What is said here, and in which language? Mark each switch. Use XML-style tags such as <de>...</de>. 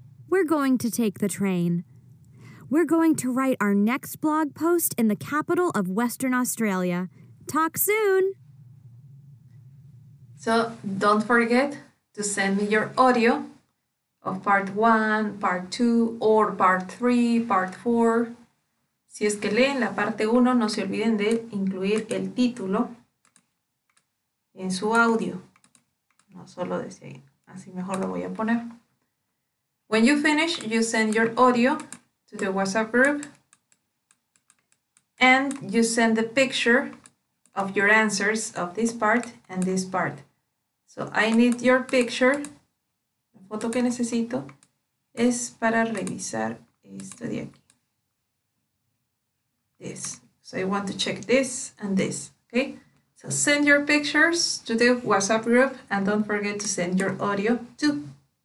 <en>We're going to take the train. We're going to write our next blog post in the capital of Western Australia. Talk soon! So don't forget to send me your audio of part 1, part 2, or part 3, part 4.</en> <es>Si es que leen la parte 1, no se olviden de incluir el título en su audio. No solo desde ahí. Así mejor lo voy a poner.</es> <en>When you finish, you send your audio to the WhatsApp group, and you send the picture of your answers of this part and this part. So I need your picture.</en> <es>La foto que necesito es para revisar esto de aquí.</es> <en>This. So I want to check this and this, okay? So send your pictures to the WhatsApp group, and don't forget to send your audio too.</en>